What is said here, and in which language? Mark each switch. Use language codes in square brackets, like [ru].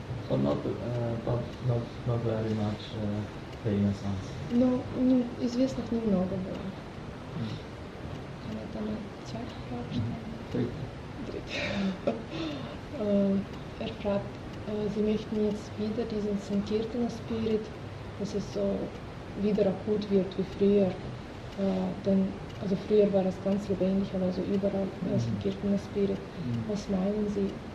[en] Not very much famous ones. [ru] No, известных немного было. [de] Er fragt, Sie möchten jetzt wieder diesen Sankirtana-Spirit, dass es so wieder akut wird wie früher. Denn früher war es ganz lebendig, aber so überall Sankirtana-Spirit. Mm. Was meinen Sie?